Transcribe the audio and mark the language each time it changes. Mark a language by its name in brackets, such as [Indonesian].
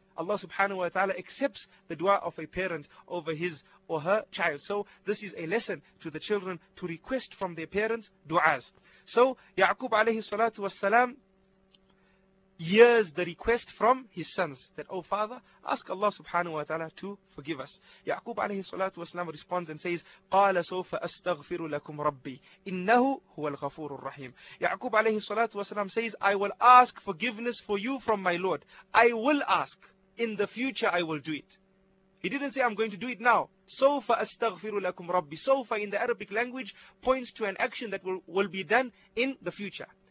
[English] Allah subhanahu wa ta'ala accepts the dua of a parent over his or her child. So this is a lesson to the children to request from their parents du'as. So Ya'qub alayhi salatu wasalam hears the request from his sons that, oh father, ask Allah subhanahu wa ta'ala to forgive us. Ya'qub alayhi salatu wasalam responds and says, [Arabic] قَالَ سَوْفَ أَسْتَغْفِرُ لَكُمْ رَبِّي إِنَّهُ هُوَ الْغَفُورُ الرَّحِيمُ. [English] Ya'qub alayhi salatu wasalam says, I will ask forgiveness for you from my Lord. I will ask. In the future I will do it. He didn't say, I'm going to do it now. [Arabic] Sofa astaghfiru lakum rabbi. [English] Sofa in the Arabic language points to an action that will be done in the future.